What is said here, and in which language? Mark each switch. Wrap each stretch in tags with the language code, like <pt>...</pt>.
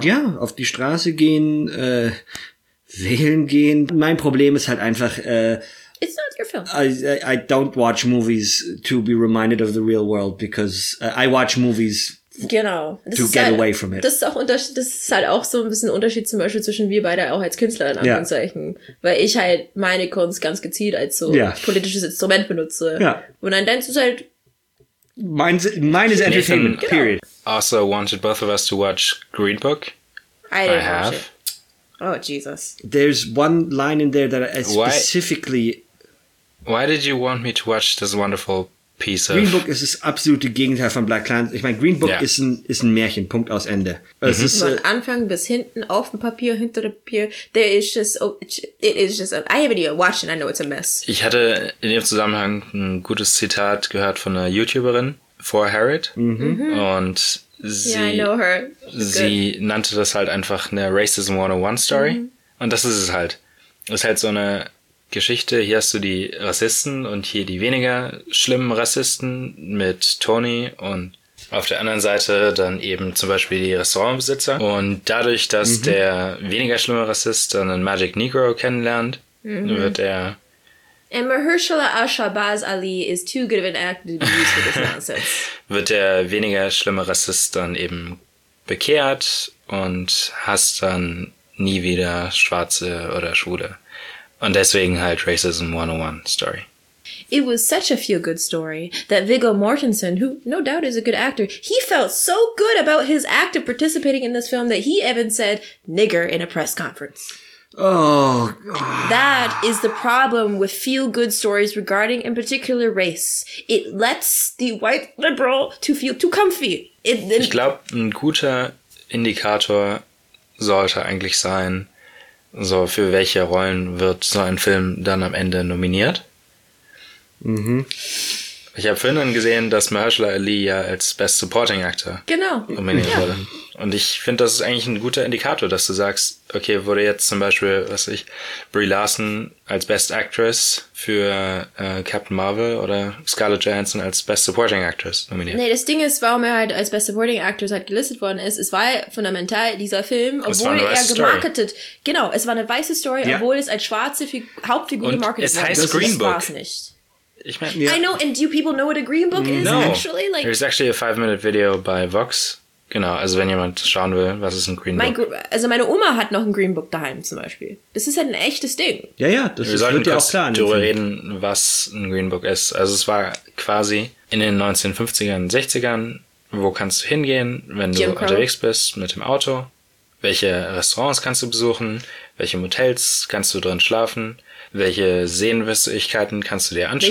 <de>Ja, auf die Straße gehen, wählen gehen. Mein Problem ist halt einfach,</de> <en>it's not your film. I don't watch movies to be reminded of the real world, because I watch movies.</en> <de>Genau. Das to ist get halt, away from it. Das ist auch so ein bisschen Unterschied zum Beispiel zwischen wir beide auch als Künstler in Anführungszeichen.</de> <en>Yeah.</en> <de>Weil ich halt meine Kunst ganz gezielt als so politisches Instrument benutze.</de> <en>Yeah.</en> <de>Und dann deins ist halt.</de> <en>Mine is entertainment, period. Also wanted both of us to watch Green Book. I have. Watch it. Oh, Jesus. There's one line in there that I specifically. Why did you want me to watch this wonderful piece of</en> <de>Green Book ist das absolute Gegenteil von Black Klansman. Ich meine, Green Book ist ein Märchen, Punkt aus Ende. Es ist von Anfang bis hinten, auf dem Papier,</de> <en>hinter dem Papier, there is just, it is just, I haven't even watched it, I know it's a mess.</en> <de>Ich hatte in dem Zusammenhang ein gutes Zitat gehört von einer YouTuberin, For Harriet, und sie,</de> <en>I know her.</en> <de>Sie nannte das halt einfach eine Racism 101 Story, und das ist es halt. Das ist halt so eine Geschichte, hier hast du die Rassisten und hier die weniger schlimmen Rassisten mit Tony und auf der anderen Seite dann eben zum Beispiel die Restaurantbesitzer. Und dadurch, dass der weniger schlimme Rassist dann einen Magic Negro kennenlernt, wird er.</de> <en>And Mahershala Ashabaz Ali is too good of an actor to be used for this nonsense.</en> <de>Wird der weniger schlimme Rassist dann eben bekehrt und hast dann nie wieder Schwarze oder Schwule. Und deswegen halt Racism 101 Story.</de> <en>It was such a feel-good story that Viggo Mortensen, who no doubt is a good actor, he felt so good about his act of participating in this film that he even said nigger in a press conference. Oh, that is the problem with feel-good stories regarding, in particular, race. It lets the white liberal to feel too comfy.</en> <de>Ich glaube, ein guter Indikator sollte eigentlich sein, so, für welche Rollen wird so ein Film dann am Ende nominiert? Ich habe vorhin dann gesehen, dass Mahershala Ali ja als Best Supporting Actor nominiert wurde. Und ich finde, das ist eigentlich ein guter Indikator, dass du sagst, okay, wurde jetzt zum Beispiel, was weiß ich, Brie Larson als Best Actress für Captain Marvel oder Scarlett Johansson als Best Supporting Actress nominiert. Nee, das Ding ist, warum er halt als Best Supporting Actress halt gelistet worden ist, es war fundamental, dieser Film, obwohl er gemarketet, es war eine weiße Story, obwohl es als schwarze Hauptfigur gemarketet wurde. Es heißt Green Book. Ich meine,</de> <en>I know, and do people know what a Green Book is, actually? Like, there's actually a 5-minute video by Vox.</en> <de>Genau, also wenn jemand schauen will, was ist ein Green Book? Meine Oma hat noch ein Green Book daheim zum Beispiel. Das ist halt ein echtes Ding. Ja, ja, das wird ja auch klar. Wir sollten kurz darüber reden, was ein Green Book ist. Also es war quasi in den 1950ern, 60ern wo kannst du hingehen, wenn du unterwegs bist mit dem Auto, welche Restaurants kannst du besuchen, welche Motels kannst du drin schlafen, welche Sehenswürdigkeiten kannst du dir anschauen.</de>